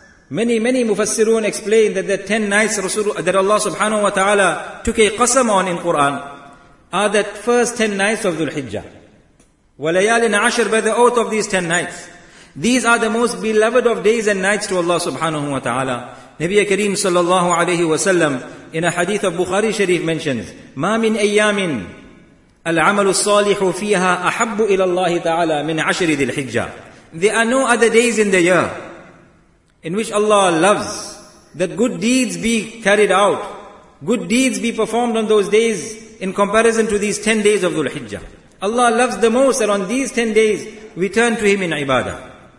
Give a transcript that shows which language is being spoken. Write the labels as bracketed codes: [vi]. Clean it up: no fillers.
[en] Many mufassirun explain that the 10 nights that Allah subhanahu wa ta'ala took a qasam on in Quran are that first 10 nights of Dhul Hijjah. [ar] وَلَيَالٍ عَشْر, [en] by the oath of these 10 nights. These are the most beloved of days and nights to Allah subhanahu wa ta'ala. Nabi Kareem sallallahu alayhi wa sallam, in a hadith of Bukhari Sharif, mentions, [ar] مَا مِنْ أَيَّامٍ الْعَمَلُ الصَّالِحُ فِيهَا أَحَبُّ إِلَى اللَّهِ تَعَالَى مِنْ عَشْرِ ذِي الْحِجَّةِ. [en] There are no other days in the year in which Allah loves that good deeds be carried out, good deeds be performed on those days, in comparison to these 10 days of Dhul Hijjah. Allah loves the most that on these 10 days we turn to Him in ibadah.